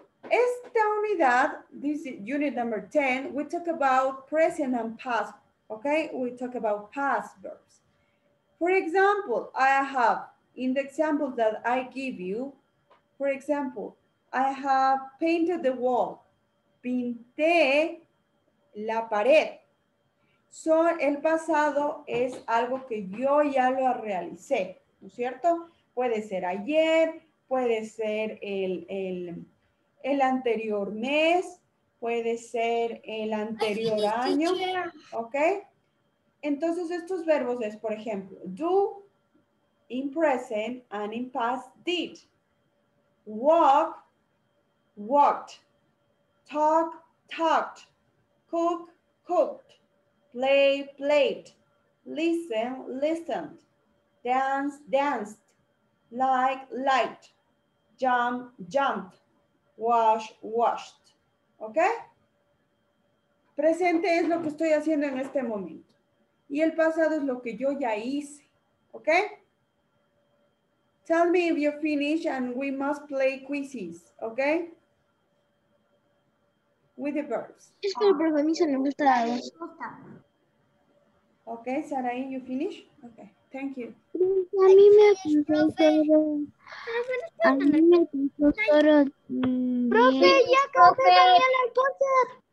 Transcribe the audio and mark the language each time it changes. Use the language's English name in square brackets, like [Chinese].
[Spanish] Esta unidad, [English] this is unit number 10, we talk about present and past. ¿Ok? We talk about past verbs. For example, I have, in the example that I give you, for example, I have painted the wall. [Spanish] Pinté la pared. So, el pasado es algo que yo ya lo realicé, ¿no es cierto? Puede ser ayer, puede ser el anterior mes, puede ser el anterior año, ¿ok? Entonces, estos verbos es, por ejemplo, [English] do in present and in past did. Walk, walked. Talk, talked. Cook, cooked. Play, played. Listen, listened. Dance, danced. Like, liked. Jump, jumped. Wash, washed. ¿Ok? [Spanish] Presente es lo que estoy haciendo en este momento. Y el pasado es lo que yo ya hice. ¿Ok? [English] Tell me if you finish and we must play quizzes. ¿Ok? With the verbs. [Spanish] Es que el verbo a mí se me gusta la voz. [English] Ok, Sarai, you finish? Ok, thank you. [Spanish] A mí me gustó todo. A mí me gustó todo. Profe, ya acabé también la cosa.